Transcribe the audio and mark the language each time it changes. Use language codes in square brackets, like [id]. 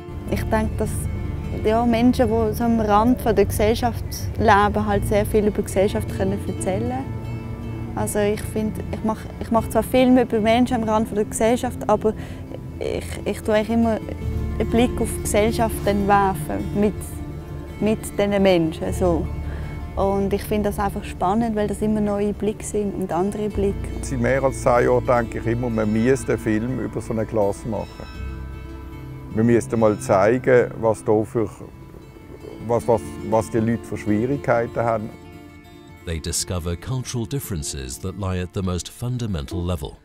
[en] I think that people who live on the Rand of society can tell a lot about society. I make films about people on the Rand of society, but I always have a look at society with these people. So. [de] Und ich finde das einfach spannend, weil das immer neue Blicke sind und andere Blicke. Seit mehr als 10 Jahren denke ich immer, man müsste einen Film über so eine Klasse machen. Man müsste mal zeigen, was, da für, was die Leute für Schwierigkeiten haben. [en] They discover cultural differences that lie at the most fundamental level.